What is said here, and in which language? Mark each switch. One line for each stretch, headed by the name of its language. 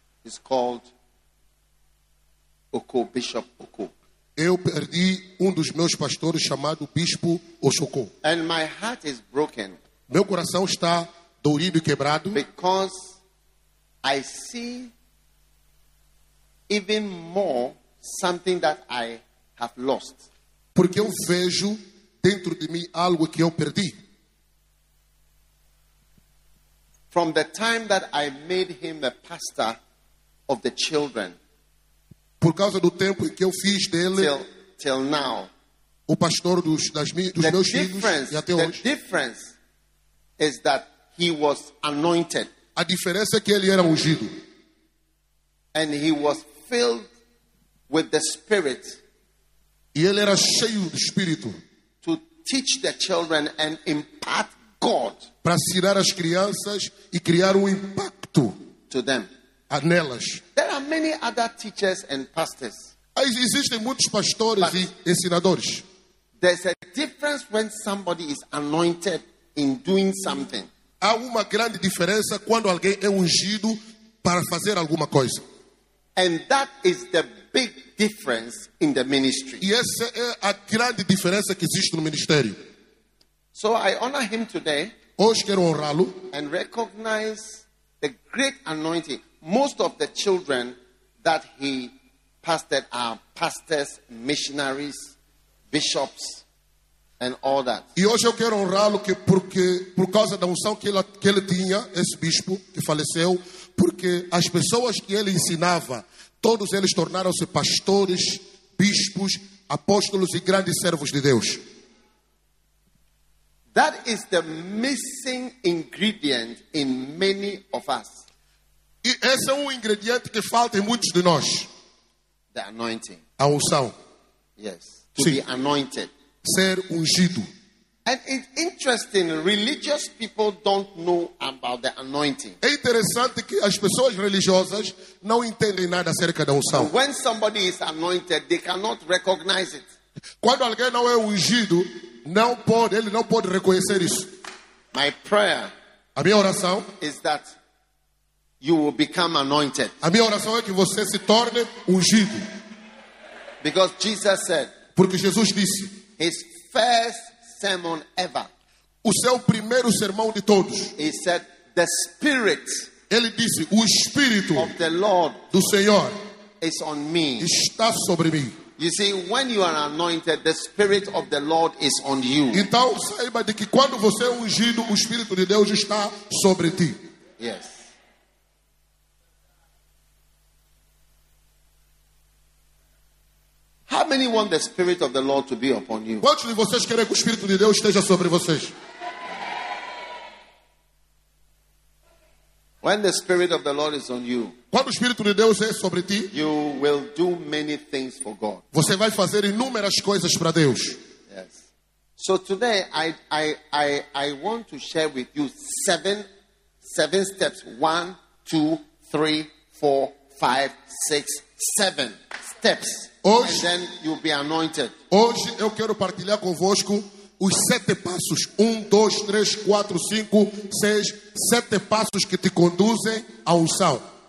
English: He's called Oko, Bishop Oko.
Portuguese: Eu perdi dos meus pastores chamado Bispo Osoko.
English: And my heart is broken.
Portuguese: Meu coração está dolorido e quebrado.
English: Because I see even more something that I have lost.
Portuguese: Porque eu vejo dentro de mim algo que eu perdi.
English: From the time that I made him the pastor of the children.
Portuguese: Por causa do tempo que eu fiz dele.
English: Till now.
Portuguese: O pastor dos meus filhos e até hoje.
English: The difference is that he was anointed.
Portuguese: A diferença é que ele era ungido.
English: And he was filled with the Spirit.
Portuguese: E ele era cheio do Espírito.
English: To teach the children and impart God.
Portuguese: Para ensinar as crianças e criar impacto.
English: To them.
Portuguese: A nelas.
English: There are many other teachers and pastors.
Portuguese: Existem muitos pastores e ensinadores.
English: There's a difference when somebody is anointed in doing something.
Portuguese: Há uma grande diferença quando alguém é ungido para fazer alguma coisa.
English: And that is the big difference in the ministry.
Portuguese: E essa é a grande diferença que existe no ministério.
English: So I honor him today.
Portuguese: Hoje quero honrá-lo.
English: And recognize the great anointing. Most of the children that he pastored are pastors, missionaries, bishops. And all that.
Portuguese: E hoje eu quero honrá-lo que porque por causa da unção que ele tinha, esse bispo que faleceu, porque as pessoas que ele ensinava, todos eles tornaram-se pastores, bispos, apóstolos e grandes servos de Deus.
English: That is the missing ingredient in many of us.
Portuguese: E esse é ingrediente que falta em muitos de nós.
English: The anointing.
Portuguese: A unção.
English: Yes. To
Portuguese: Sim.
English: be anointed.
Portuguese: Ser ungido.
English: And it's interesting, religious people don't know about the anointing.
Portuguese: É interessante que as pessoas religiosas não entendem nada acerca da unção.
English: When somebody is anointed, they cannot recognize it.
Portuguese: Quando alguém não é ungido, ele não pode reconhecer isso.
English: My prayer,
Portuguese: a minha oração,
English: is that you will become anointed.
Portuguese: A minha oração é que você se torne ungido.
English: Because Jesus said,
Portuguese: porque Jesus disse,
English: his first sermon ever.
Portuguese: O seu primeiro sermão de todos.
English: He said, "The Spirit."
Portuguese: Ele disse, o Espírito
English: of the Lord
Portuguese: do Senhor
English: is on me.
Portuguese: Está sobre mim.
English: You see, when you are anointed, the Spirit of the Lord is on you.
Portuguese: Então saiba de que quando você é ungido, o Espírito de Deus está sobre ti.
English: Yes. How many want the Spirit of the Lord to be upon you?
Portuguese: Quantos de vocês querem que o Espírito de Deus esteja sobre vocês?
English: When the Spirit of the Lord is on you,
Portuguese: quando o Espírito de Deus é sobre ti,
English: you will do many things for God.
Portuguese: Você vai fazer inúmeras coisas para Deus.
English: Yes. So today I want to share with you seven steps. 1, 2, 3, 4, 5, 6, 7 steps.
Portuguese: Hoje,
English: and then you'll be anointed.
Portuguese: Hoje eu quero partilhar convosco os sete passos. 1, 2, 3, 4, 5, 6 Sete passos que te conduzem à unção.